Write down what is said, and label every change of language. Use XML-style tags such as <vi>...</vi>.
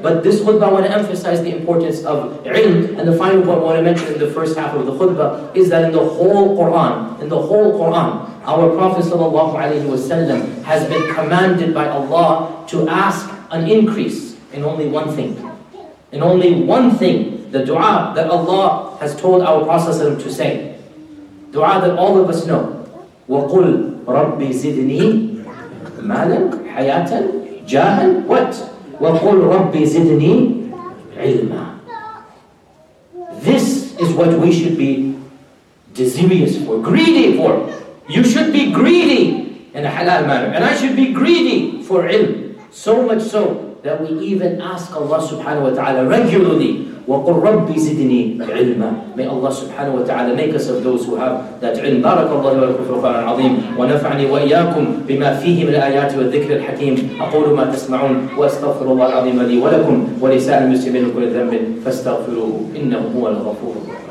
<en>But this khutbah, I want to emphasize the importance of ilm. And the final point I want to mention in the first half of the khutbah is that in the whole Quran, our Prophet sallallahu alaihi wasallam has been commanded by Allah to ask an increase in only one thing. In only one thing, the dua that Allah has told our Prophet to say. Dua that all of us know.</en> <ar>وَقُلْ رَبِّ زِدْنِي مَالًا حَيَاتًا جَاهًا</ar> <en>What?</en> <ar>وَقُلْ رَبِّ زِدْنِي عِلْمًا</ar> <en>This is what we should be desirous for, greedy for. You should be greedy in a halal manner. And I should be greedy for ilm. So much so that we even ask Allah subhanahu wa ta'ala regularly,</en> <ar>وَقُلْ رَبِّ زِدْنِي عِلْمًا</ar> <en>May Allah subhanahu wa ta'ala make us of those who have that ilm.</en> <ar>بارك الله لكم في القرآن العظيم ونفعني وإياكم بما فيه من الآيات والذكر الحكيم أقول ما تسمعون وأستغفر الله العظيم لي ولكم ولسائر المسلمين كل ذنب فاستغفروه إنه هو الغفور</ar>